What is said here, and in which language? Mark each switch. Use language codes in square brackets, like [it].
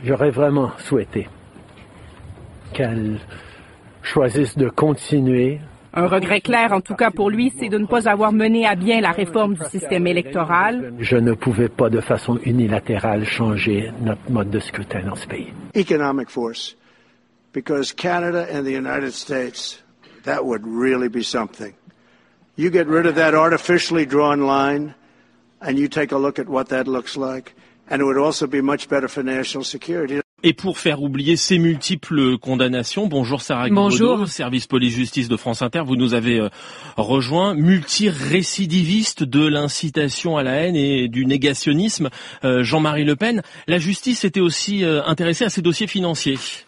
[fr] J'aurais vraiment souhaité qu'elle choisisse de continuer. Un regret clair, en tout cas pour lui, c'est de ne pas avoir mené à bien la réforme du système électoral. Je ne pouvais pas de façon unilatérale changer notre mode de scrutin dans ce pays. [en] Economic force. Because Canada and the United States, that would really be something. You get rid of that artificially drawn line and you take a look at what that looks like, and it would also be much better for national security. [fr] Et pour faire oublier ces multiples condamnations, bonjour Sarah Guibaudeau. Bonjour. Service police-justice de France Inter, vous nous avez rejoint. Multirécidiviste de l'incitation à la haine et du négationnisme, Jean-Marie Le Pen. La justice était aussi intéressée à ces dossiers financiers.